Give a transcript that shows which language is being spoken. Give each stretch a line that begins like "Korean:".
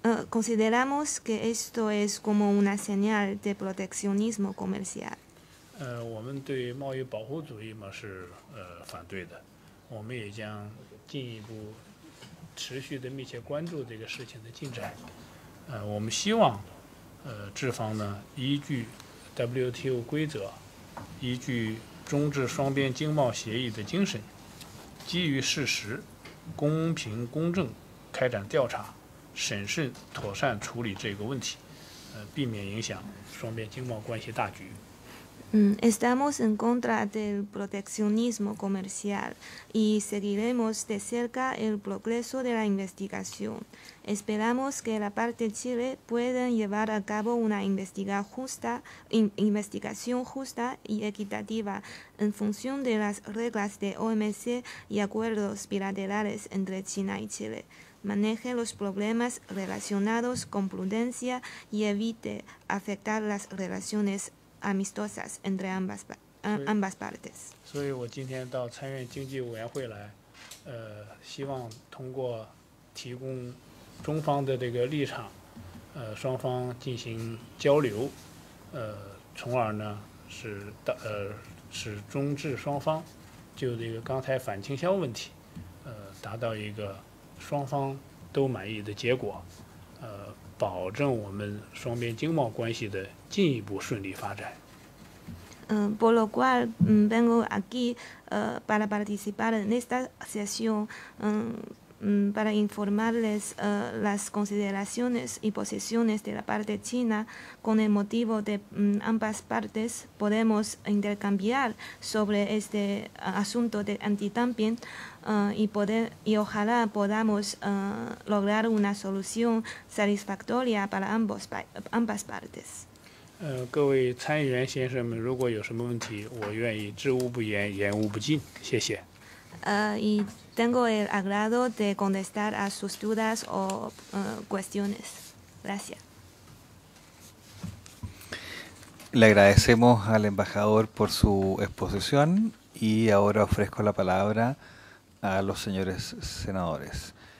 Spanish: Consideramos que esto es como una señal de proteccionismo comercial.
Chinese: 我们对贸易保护主义嘛是反对的，我们也将进一步持续的密切关注这个事情的进展。我们希望智方呢依据 WTO 规则，依据中智双边经贸协议的精神，基于事实，公平公正。开展调查，审慎妥善处理这个问题，避免影响双边经贸关系大局。
Spanish: Estamos en contra del proteccionismo comercial y seguiremos de cerca el progreso de la investigación. Esperamos que la parte de Chile pueda llevar a cabo una investigación justa y equitativa en función de las reglas de OMC y acuerdos bilaterales entre China y Chile. Maneje los problemas relacionados con prudencia y evite afectar las relaciones amistosas entre ambas partes.
Chinese: 所以我今天到参院经济委员会来，希望通过提供中方的这个立场，双方进行交流，从而呢使中智双方就这个钢材反倾销问题，达到一个。双方都满意的结果，保证我们双边经贸关系的进一步顺利发展。
Spanish: Por lo cual, vengo aquí, para participar en esta sesión, para informarles las consideraciones y posiciones de la parte china con el motivo de ambas partes podemos intercambiar sobre este asunto de antidumping y ojalá podamos lograr una solución satisfactoria para ambas partes.
Chinese: 各位参议员先生们，如果有什么问题，我愿意知无不言，言无不尽。谢谢。
Spanish: Y tengo el agrado de contestar a sus dudas o cuestiones. Gracias. Le agradecemos al embajador por su exposición y ahora ofrezco la palabra a los señores senadores.